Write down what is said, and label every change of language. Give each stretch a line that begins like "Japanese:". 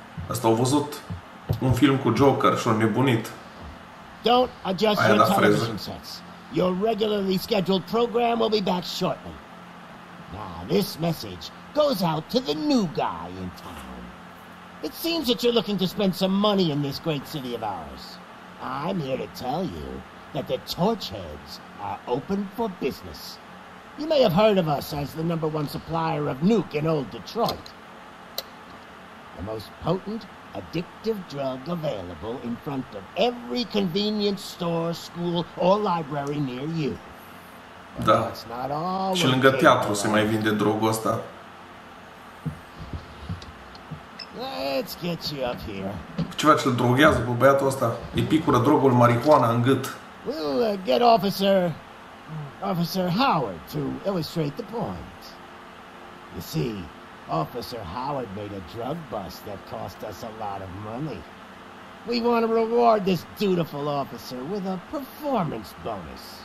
Romanian: Asta au văzut un film cu Joker și-o nebunit.
English: Don't adjust your television sets. Your regularly scheduled program will be back shortly. Now, this message goes out to the new guy in town. It seems that you're looking to spend some money in this great city of ours. I'm here to tell you that the Torchheads are open for business. You may have heard of us as the number one supplier of nuke in old Detroit. The most potent addictive drug available in front of every convenience store, school, or library near you.
Romanian: Da. Și lângă teatru se mai vinde drogul ăsta.
English: Let's get you up here.
Romanian: Ceva ce-l droghează pe băiatul ăsta? E picură drogul marihuana în gât.
English: We'll get Officer Howard to illustrate the point. You see, Officer Howard made a drug bust that cost us a lot of money. We want to reward this dutiful officer with a performance bonus.